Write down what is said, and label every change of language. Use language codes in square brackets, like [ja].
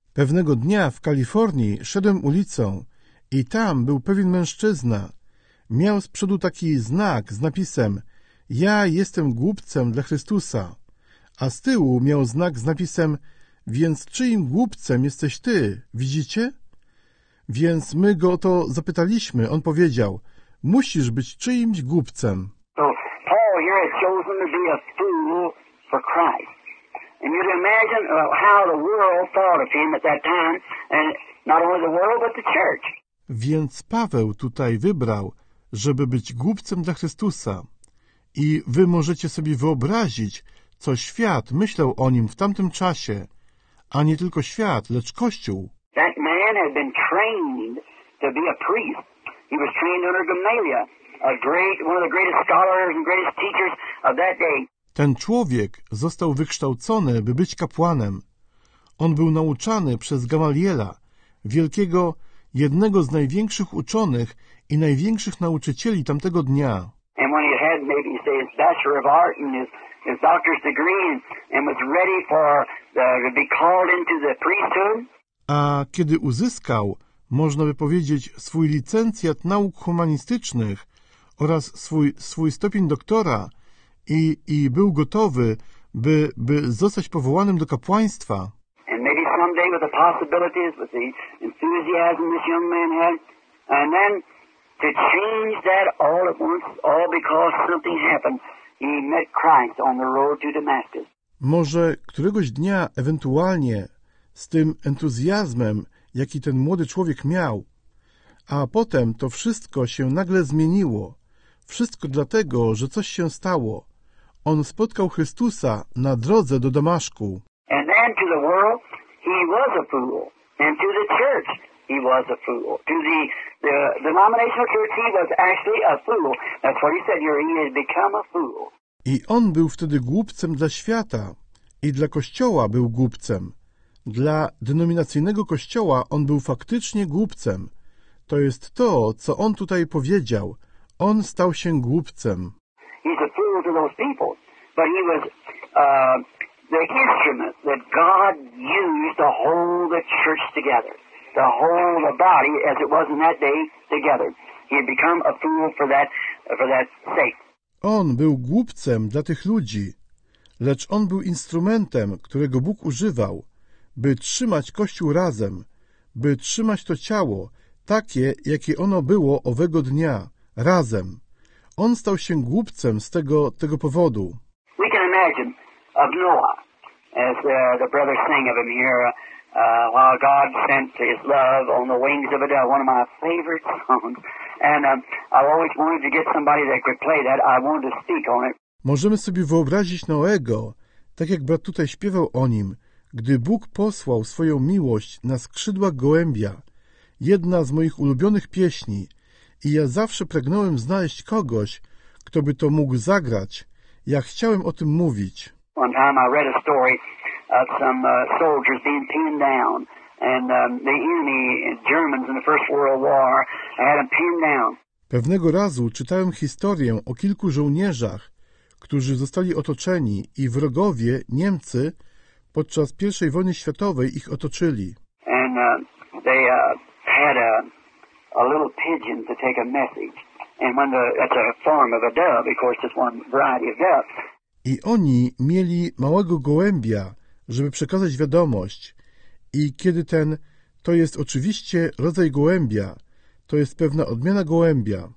[pl] Pewnego dnia w Kalifornii szedłem ulicą i tam był pewien mężczyzna. Miał z przodu taki znak z napisem Ja jestem głupcem dla Chrystusa, a z tyłu miał znak z napisem Więc czyim głupcem jesteś ty, widzicie? Więc my go o to zapytaliśmy, on powiedział Musisz być czyimś głupcem. [en] So Paul here has chosen to be a fool for Christ. And you can imagine how the world thought of him at that time, and not only the world, but the church. [pl] Więc Paweł tutaj wybrał, żeby być głupcem dla Chrystusa. I wy możecie sobie wyobrazić, co świat myślał o nim w tamtym czasie, a nie tylko świat, lecz Kościół. [en] That man had been trained to be a priest. He was trained under Gamaliel, one of the greatest scholars and greatest teachers of that day. [pl] Ten człowiek został wykształcony, by być kapłanem. On był nauczany przez Gamaliela, wielkiego, jednego z największych uczonych i największych nauczycieli tamtego dnia. [en] And when he had maybe say his bachelor of art and his doctor's degree and was ready for to be called into the priesthood. [pl] A kiedy uzyskał, można by powiedzieć, swój licencjat nauk humanistycznych oraz swój stopień doktora i był gotowy, by zostać powołanym do kapłaństwa. [en] And maybe someday with the possibilities, with the enthusiasm this young man had, and then to change that all at once, all because something happened. He met Christ on the road to Damascus. [pl] Może któregoś dnia ewentualnie z tym entuzjazmem, jaki ten młody człowiek miał, a potem to wszystko się nagle zmieniło. Wszystko dlatego, że coś się stało. On spotkał Chrystusa na drodze do Damaszku. [en] And then to the world, he was a fool. And to the church, he was a fool. To the denominational church, he was actually a fool. That's what he said, he had become a fool. [pl] I on był wtedy głupcem dla świata i dla Kościoła był głupcem. Dla denominacyjnego Kościoła on był faktycznie głupcem. To jest to, co on tutaj powiedział. On stał się głupcem. [en] He's a fool to those people, but he was the instrument that God used to hold the church together, to hold the body as it was in that day together. He had become a fool for that sake. [pl] On był głupcem dla tych ludzi, lecz on był instrumentem, którego Bóg używał, by trzymać Kościół razem, by trzymać to ciało, takie, jakie ono było owego dnia, razem. On stał się głupcem z tego powodu. [en] We can imagine of Noah, as the brother sang of him here, while God sent his love on the wings of a dove, one of my favorite songs. And I always wanted to get somebody that could play that. I wanted to speak on it. [pl] Możemy sobie wyobrazić Noego, tak jak brat tutaj śpiewał o nim, gdy Bóg posłał swoją miłość na skrzydłach gołębia, jedna z moich ulubionych pieśni, i ja zawsze pragnąłem znaleźć kogoś, kto by to mógł zagrać. Ja chciałem o tym mówić. [en] One time I read a story of some soldiers being pinned down and the enemy, Germans in the First World War, I had them pinned down. [pl] Pewnego razu czytałem historię o kilku żołnierzach, którzy zostali otoczeni i wrogowie, Niemcy, podczas pierwszej wojny światowej ich otoczyli. [en] And they had a little pigeon to take a message. And when that's a form of a dove, of course, just one variety of dove. [pl] I oni mieli małego gołębia, żeby przekazać wiadomość. I kiedy ten, to jest oczywiście rodzaj gołębia, to jest pewna odmiana gołębia.